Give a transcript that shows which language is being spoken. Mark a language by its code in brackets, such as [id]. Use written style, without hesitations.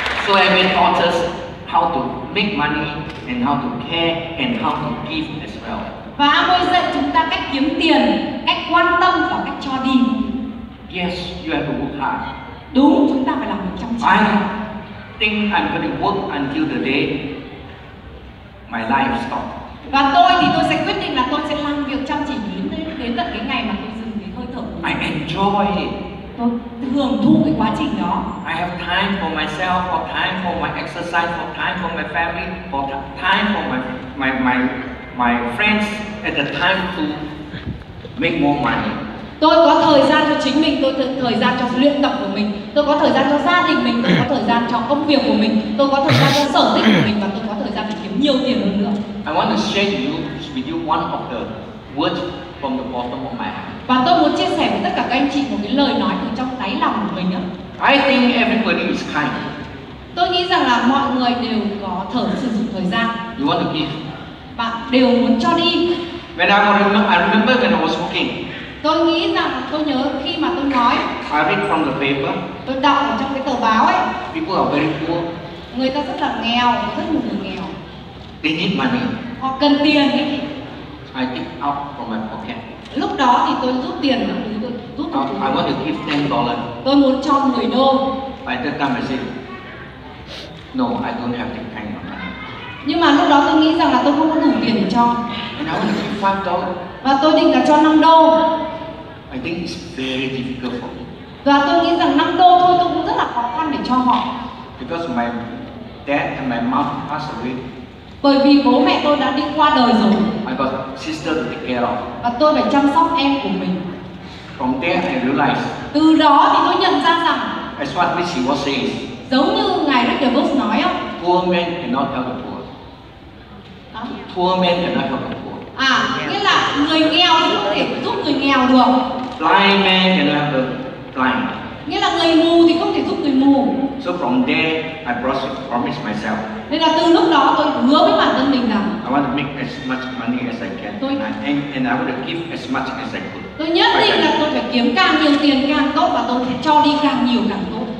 [en] So MBA taught us how to make money and how to care and how to give as well. [vi] Và MBA dạy chúng ta cách kiếm tiền, cách quan tâm và cách cho đi. [en] Yes, you have to work hard. [vi] Đúng, chúng ta phải làm việc chăm chỉ. [en] I think I'm going to work until the day my life stops. [vi] Và tôi thì tôi sẽ quyết định là tôi sẽ làm việc chăm chỉ đến tận cái ngày mà tôi dừng cái hơi thở. [en] I enjoy it. [vi] Tôi hưởng thụ cái quá trình đó. [en] I have time for myself, for time for my exercise, for time for my family, for time for my friends, at the time to make more money. [vi] Tôi có thời gian cho chính mình, tôi có thời gian cho luyện tập của mình, tôi có thời gian cho gia đình mình, tôi có thời gian cho công việc của mình, tôi có thời gian cho sở thích của mình và tôi có thời gian để kiếm nhiều tiền hơn nữa. [en] I want to share with you one of the words from the bottom of my heart. [vi] Và tôi muốn chia sẻ với tất cả các anh chị một cái lời nói từ trong đáy lòng của mình nhé. [en] I think everybody is kind. [vi] Tôi nghĩ rằng là mọi người đều có thể sử dụng thời gian. [en] You want to give. [vi] Và đều muốn cho đi. [en] When I remember when I was working. [vi] Tôi nghĩ rằng tôi nhớ khi mà tôi nói. [en] I read from the paper. [vi] Tôi đọc ở trong cái tờ báo ấy. [en] People are very poor. [vi] Người ta rất là nghèo, rất là người nghèo. [en] They need money. [vi] Họ cần tiền ấy. [en] I took out from my pocket. [vi] Lúc đó thì tôi rút tiền và rút từ túi. [en] I want to give $10. [vi] Tôi muốn cho 10 đô. [en] By that time I said, no, I don't have the kind of money. [vi] Nhưng mà lúc đó tôi nghĩ rằng là tôi không có đủ tiền để cho. [en] And I want to give $5. [vi] Và tôi định là cho 5 đô. [en] I think it's very difficult for me. [vi] Và tôi nghĩ rằng 5 đô thôi tôi cũng rất là khó khăn để cho họ. [en] Because my dad and my mom passed away. [vi] Bởi vì bố mẹ tôi đã đi qua đời rồi. [en] I got sister to take care of. [vi] Và tôi phải chăm sóc em của mình. [en] From there I realized. [vi] Từ đó thì tôi nhận ra rằng. [en] As what Missy was saying. [vi] Giống như ngài Richard Brooks nói á. [en] Poor men cannot help the poor. [vi] Đó. [en] Poor men cannot help the poor. [vi] À, nghĩa là người nghèo thì không thể giúp người nghèo được. [en] Blind man cannot help the blind. [vi] Nghĩa là người mù thì không thể giúp người mù. [en] So from there, I promised myself. [vi] Nên là từ lúc đó tôi hứa với bản thân mình rằng. [en] I want to make as much money as I can. And I want to give as much as I could. [vi] Tôi nhất định là tôi phải kiếm càng nhiều tiền càng tốt và tôi sẽ cho đi càng nhiều càng tốt.